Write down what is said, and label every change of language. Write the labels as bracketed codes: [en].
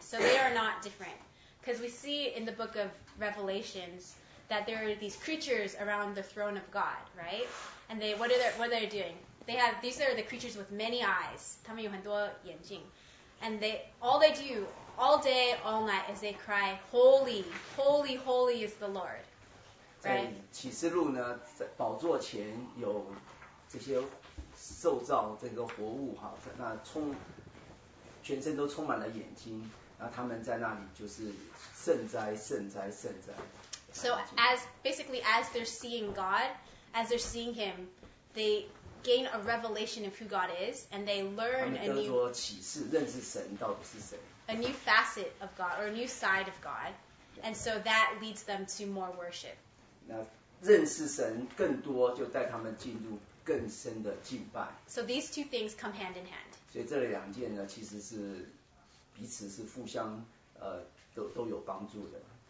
[en] So they are not different. Because we see in the book of Revelations that there are these creatures around the throne of God, right? And they, what are they doing? They have, these are the creatures with many eyes. [zh] 他们有很多眼睛. [en] And they, all they do all day, all night is they cry, holy, holy, holy is the Lord. [zh] 在启示录呢，在宝座前有这些受造这个活物哈，那全身都充满了眼睛，然后他们在那里就是圣哉圣哉圣哉。 [en] So as basically as they're seeing God, as they're seeing Him, they gain a revelation of who God is, and they learn a new. [zh] 他们叫做启示，认识神到底是谁。 [en] A new facet of God or a new side of God, and so that leads them to more worship. [zh] 认识神更多就带他们进入更深的敬拜。 [en] So these two things come hand in hand. [zh] 所以这两件呢其实是彼此是互相都有帮助的。